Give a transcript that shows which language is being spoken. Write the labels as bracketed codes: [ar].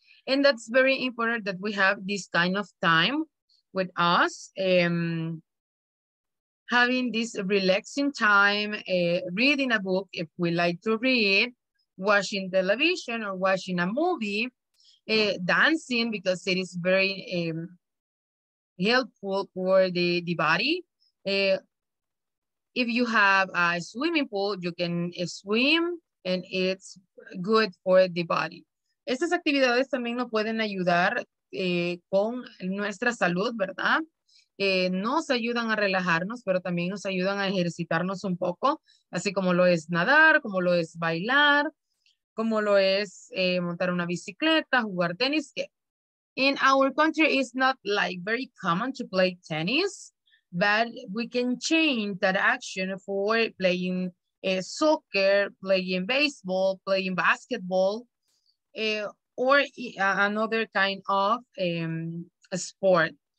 [en] And that's very important that we have this kind of time with us, having this relaxing time, reading a book if we like to read, watching television or watching a movie, dancing because it is very helpful for the body. If you have a swimming pool, you can swim and it's good for the body. [es] Estas actividades también nos pueden ayudar con nuestra salud, ¿verdad? Nos ayudan a relajarnos, pero también nos ayudan a ejercitarnos un poco, así como lo es nadar, como lo es bailar, como lo es montar una bicicleta, jugar tenis. [en] In our country, it's not like very common to play tennis, but we can change that action for playing soccer, playing baseball, playing basketball, or another kind of sport.